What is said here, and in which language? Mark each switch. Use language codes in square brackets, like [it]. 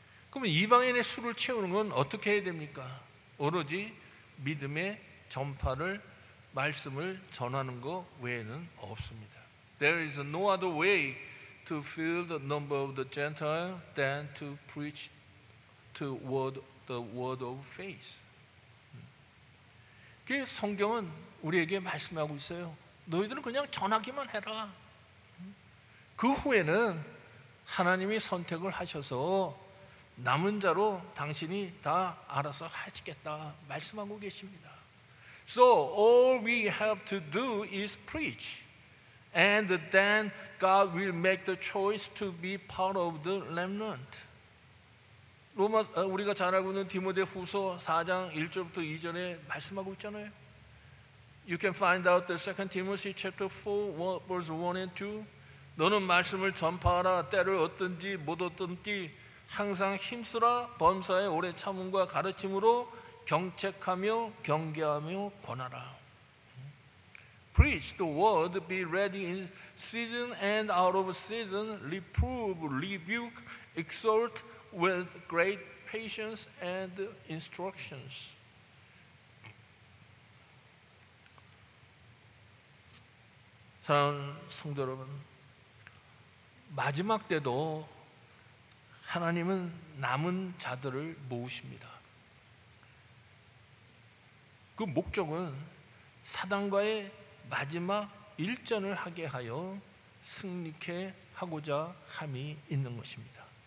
[ko] 그러면 이방인의 수를 채우는 건 어떻게 해야 됩니까? 오로지 믿음의 전파를 말씀을 전하는 것 외에는 없습니다. [en] There is no other way to fill the number of the Gentiles than to preach to word the word of faith. [ko] 그 성경은 우리에게 말씀하고 있어요. 너희들은 그냥 전하기만 해라. 그 후에는 하나님이 선택을 하셔서 남은 자로 당신이 다 알아서 하시겠다 말씀하고 계십니다. [en] So all we have to do is preach. And then God will make the choice to be part of the remnant. [ko] 로마 우리가 잘 알고 있는 디모데 후서 4장 1절부터 2절에 말씀하고 있잖아요. [en] You can find out the 2 Timothy chapter 4 verse 1 and 2. [ko] 너는 말씀을 전파하라 때를 얻든지 못 얻든지 항상 힘쓰라 범사에 오래 참음과 가르침으로 경책하며 경계하며 권하라. [en] Preach the word, be ready in season and out of season, reprove, rebuke, exhort with great patience and instructions. [ko] 사랑하는 성도 여러분, 마지막 때도 하나님은 남은 자들을 모으십니다. 그 목적은 사단과의 마지막 일전을 하게 하여 승리케 하고자 함이 있는 것입니다.